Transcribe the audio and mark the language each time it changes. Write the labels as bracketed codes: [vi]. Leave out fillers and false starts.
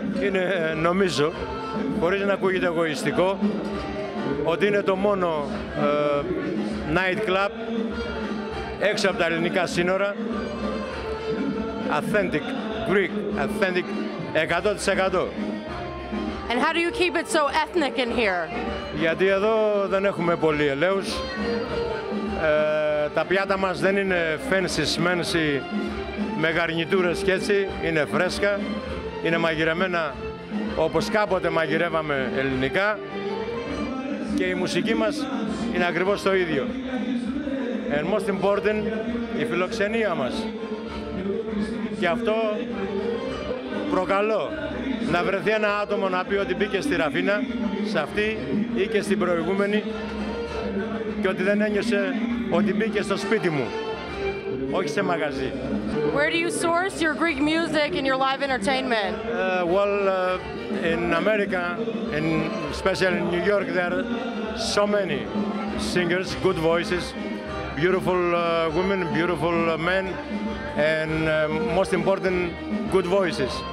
[el] Είναι, νομίζω, χωρίς να ακούγεται εγωιστικό, ότι είναι το μόνο night club έξω από τα ελληνικά σύνορα, [en] authentic Greek, authentic 100%. And how do you keep it so ethnic in here? [el] Γιατί εδώ δεν έχουμε πολύ ελαίους. Τα πιάτα μας δεν είναι [en] fancy smancy [el] με γαρνιτούρες και έτσι. Είναι φρέσκα. Είναι μαγειρεμένα όπως κάποτε μαγειρεύαμε ελληνικά. Και η μουσική μας είναι ακριβώς το ίδιο. [en] And most important, [el] η φιλοξενία μας. Και αυτό προκαλώ. Να βρεθεί ένα άτομο να πει ότι μπήκε στη Ραφίνα, σε αυτή ή και στην προηγούμενη και ότι δεν ένιωσε ότι μπήκε στο σπίτι μου, όχι σε μαγαζί. [en] Where do you source your Greek music and your live entertainment? In America, in especially in New York, there are so many singers, good voices, beautiful women, beautiful men, and most important, good voices.